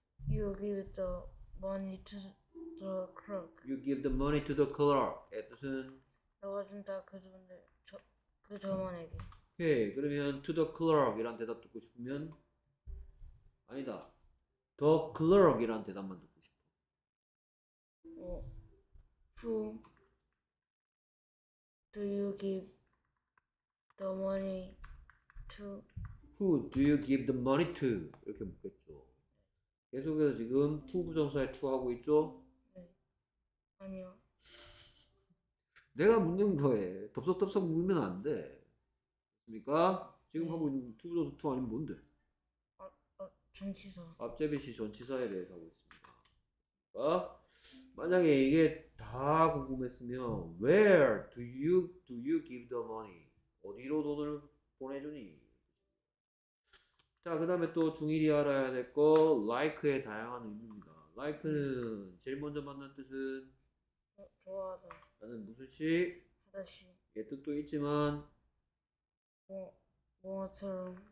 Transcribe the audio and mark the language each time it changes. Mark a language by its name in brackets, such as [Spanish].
[English] You give the money to the clerk. You give the money to the clerk. [Korean] 에 뜻은. 너가 준다 그 돈을 저그 점원에게. 오케이. 그러면 [English] to the clerk [Korean] 이란 대답 듣고 싶으면 아니다. [English] The clerk [Korean] 이란 대답만 듣고 싶어. [English] Who do you give the money to? Who do you give the money to? [Korean] 이렇게 묻겠죠. 계속해서 지금 to 부정사에 to 하고 있죠? 아니요. 내가 묻는 거에 덥석덥석 묻으면 안 돼. 그러니까 지금 하고 있는 to 부정사 to 아니면 뭔데? 전치사. 앞제비시 전치사에 대해서 하고 있습니다. 만약에 이게 다 궁금했으면 [English] Where do you give the money? [Korean] 어디로 돈을 보내주니? 자, 그 다음에 또 중일이 알아야 될 거, like의 다양한 의미입니다. like는 제일 먼저 만난 뜻은 좋아하다. 나는 무슨 시? 다시. 얘 뜻도 있지만 뭐처럼.